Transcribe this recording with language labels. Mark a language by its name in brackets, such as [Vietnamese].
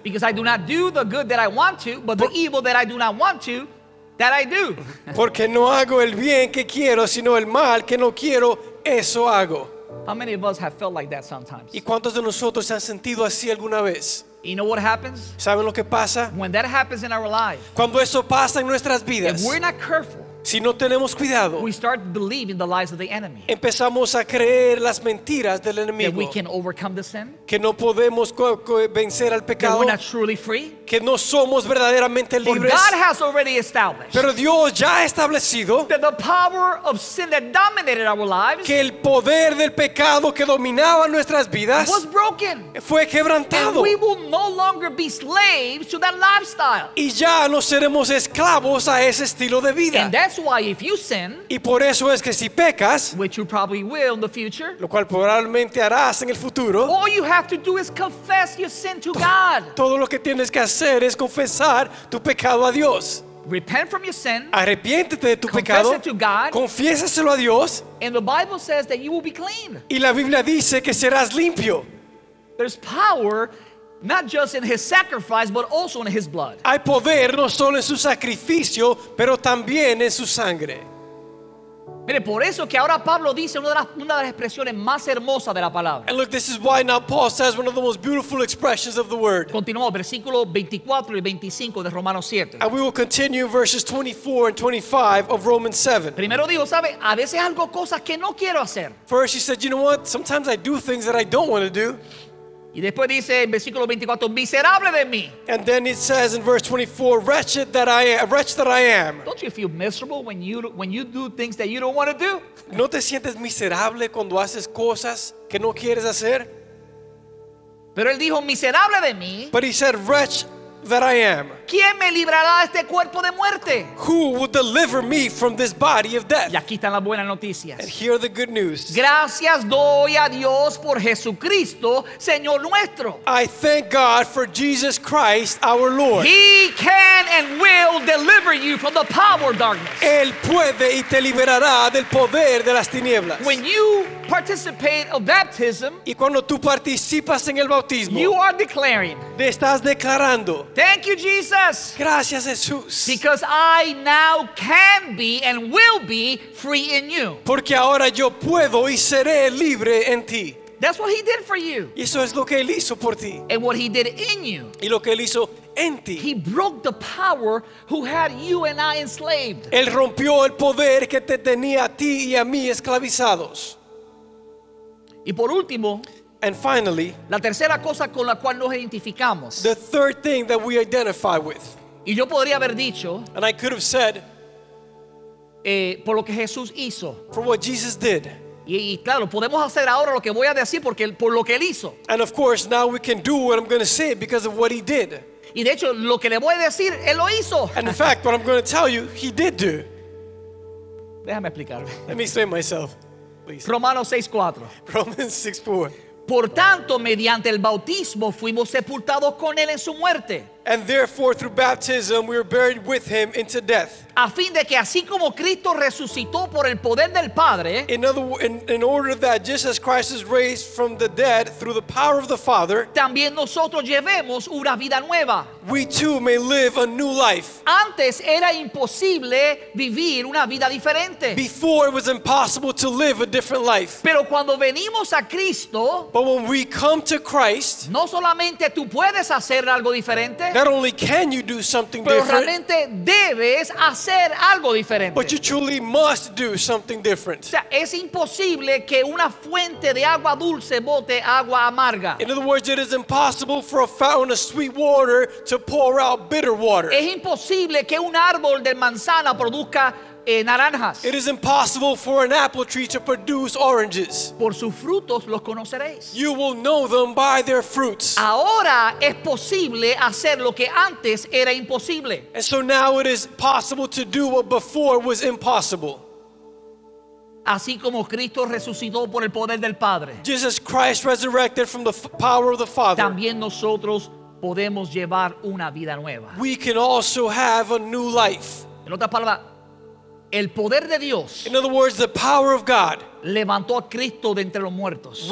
[English] Because I do not do the good that I want to, but the evil that I do not want to, that I do. [Spanish] Porque no hago el bien que quiero, sino el mal que no quiero, eso hago. [English] How many of us have felt like that sometimes? [Spanish] ¿Y cuántos de nosotros se han sentido así alguna vez? [English] You know what happens? [Spanish] ¿Saben lo que pasa? [English] When that happens in our lives. [Spanish] Cuando eso pasa en nuestras vidas. [English] If we're not careful. [Spanish] Si no tenemos cuidado. [English] We start believing the lies of the enemy. [Spanish] Empezamos a creer las mentiras del enemigo. [English] That we can overcome the sin. [Spanish] Que no podemos vencer al pecado. [English] That we're not truly free. [Spanish] Que no somos verdaderamente libres. [English] But God has already established. [Spanish] Pero Dios ya ha establecido. [English] That the power of sin that dominated our lives. [Spanish] Que el poder del pecado que dominaba nuestras vidas. [English] Was broken. [Spanish] Fue quebrantado. [English] And we will no longer be slaves to that lifestyle. [Spanish] Y ya no seremos esclavos a ese estilo de vida. [English] That's why if you sin, [Spanish] y por eso es que si pecas, [English] which you probably will in the future, [Spanish] lo cual probablemente harás en el futuro, [English] all you have to do is confess your sin to God. [Spanish] Todo lo que tienes que hacer es confesar tu pecado a Dios. [English] Repent from your sin. [Spanish] Arrepiéntete de tu pecado. [English] Confess it to God. [Spanish] Confiéseselo a Dios. [English] And the Bible says that you will be clean. [Spanish] Y la Biblia dice que serás limpio. [English] There's power not just in his sacrifice, but also in his blood. [Spanish] Hay poder no solo en su sacrificio, pero también en su sangre. Mire, por eso que ahora Pablo dice una de las expresiones más hermosas de la palabra. [English] And look, this is why now Paul says one of the most beautiful expressions of the word. [Spanish] Continuamos, versículo 24 y 25 de Romanos 7. [English] And we will continue verses 24 and 25 of Romans 7. [Spanish] Primero dijo, ¿sabe? A veces hago cosas que no quiero hacer. [English] First he said, you know what? Sometimes I do things that I don't want to do. [Spanish] Y después dice en versículo 24, miserable de mí. [English] And then it says in verse 24, wretched that I am, wretched that I am. Don't you feel miserable when you do things that you don't want to do? [Spanish] ¿No te sientes miserable cuando haces cosas que no quieres hacer? Pero él dijo, miserable de mí. [English] But he said, wretched that I am. [Spanish] ¿Quién me librará este cuerpo de muerte? [English] Who will deliver me from this body of death? [Spanish] Y aquí están las buenas noticias. [English] And here are the good news. [Spanish] Gracias doy a Dios por Jesucristo, Señor nuestro. [English] I thank God for Jesus Christ, our Lord. He can and will deliver you from the power of darkness. [Spanish] Él puede y te liberará del poder de las tinieblas. [English] When you participate of baptism, [Spanish] y cuando tú participas en el bautismo, [English] you are declaring, [Spanish] te estás declarando, [English] thank you, Jesus. [Spanish] Gracias, Jesús. [English] Because I now can be and will be free in you. [Spanish] Porque ahora yo puedo y seré libre en ti. [English] That's what he did for you. [Spanish] Y eso es lo que él hizo por ti. [English] And what he did in you. [Spanish] Y lo que él hizo en ti. [English] He broke the power who had you and I enslaved. [Spanish] Él rompió el poder que te tenía a ti y a mí esclavizados. Y por último, [English] and finally, [Spanish] la tercera cosa con la cual nos identificamos, [English] the third thing that we identify with. [Spanish] Y yo podría haber dicho, [English] and I could have said, [Spanish] por lo que Jesús hizo, [English] for what Jesus did. [Spanish] Y claro, podemos hacer ahora lo que voy a decir porque por lo que él hizo. [English] And of course, now we can do what I'm going to say because of what he did. [Spanish] Y de hecho, lo que le voy a decir, él lo hizo. [English] And in fact, what I'm going to tell you, he did do. [Spanish] Déjame explicarme. [English] Let me explain myself, please. [Spanish] Romanos 6:4. [English] Romans 6:4. [Spanish] Por tanto, mediante el bautismo fuimos sepultados con él en su muerte. [English] And therefore, through baptism, we were buried with him into death. [Spanish] A fin de que así como Cristo resucitó por el poder del Padre, [English] in order that just as Christ is raised from the dead through the power of the Father, [Spanish] también nosotros llevemos una vida nueva. [English] We too may live a new life. [Spanish] Antes era imposible vivir una vida diferente. [English] Before it was impossible to live a different life. [Spanish] Pero cuando venimos a Cristo, [English] but when we come to Christ, [Spanish] no solamente tú puedes hacer algo diferente. [English] Not only can you do something [Spanish] pero [English] different, [Spanish] realmente debes hacer algo diferente. [English] But you truly must do something different. [Spanish] O sea, es imposible que una fuente de agua dulce bote agua amarga. [English] In other words, it is impossible for a fountain of sweet water to pour out bitter water. [Spanish] Es imposible que un árbol de manzana produzca naranjas. [English] It is impossible for an apple tree to produce oranges. [Spanish] Por sus frutos los conoceréis. [English] You will know them by their fruits. [Spanish] Ahora es posible hacer lo que antes era imposible. [English] And so now it is possible to do what before was impossible. [Spanish] Así como Cristo resucitó por el poder del Padre. [English] Just as Christ resurrected from the power of the Father. [Spanish] También nosotros podemos llevar una vida nueva. [English] We can also have a new life. [Spanish] En otras palabras, el poder de Dios, [English] in other words, the power of God, [Spanish] levantó a Cristo de entre los muertos,